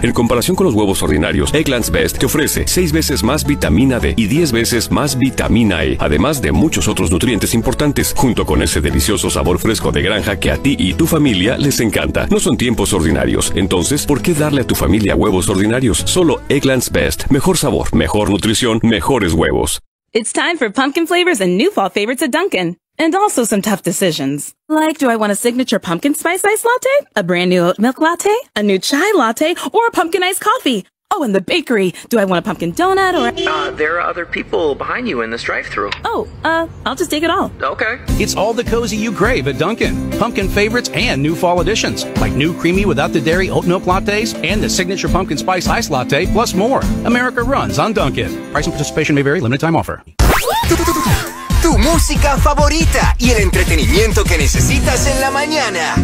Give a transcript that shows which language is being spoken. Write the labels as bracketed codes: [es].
[es] En comparación con los huevos ordinarios, Eggland's Best te ofrece 6 veces más vitamina D y 10 veces más vitamina E, además de muchos otros nutrientes importantes, junto con ese delicioso sabor fresco de granja que a ti y tu familia les encanta. No son tiempos ordinarios, entonces, ¿por qué darle a tu familia huevos ordinarios? Solo Eggland's Best. Mejor sabor, mejor nutrición, mejores huevos. [en] It's time for pumpkin flavors and new fall favorites at Dunkin', and also some tough decisions. Like, do I want a signature pumpkin spice iced latte, a brand new oat milk latte, a new chai latte, or a pumpkin iced coffee? Oh, and the bakery. Do I want a pumpkin donut or... There are other people behind you in this drive-thru. I'll just take it all. Okay. It's all the cozy you crave at Dunkin'. Pumpkin favorites and new fall additions, like new creamy without the dairy oat milk lattes and the signature pumpkin spice iced latte, plus more. America runs on Dunkin'. Price and participation may vary. Limited time offer. [es] Tu música favorita y el entretenimiento que necesitas en la mañana.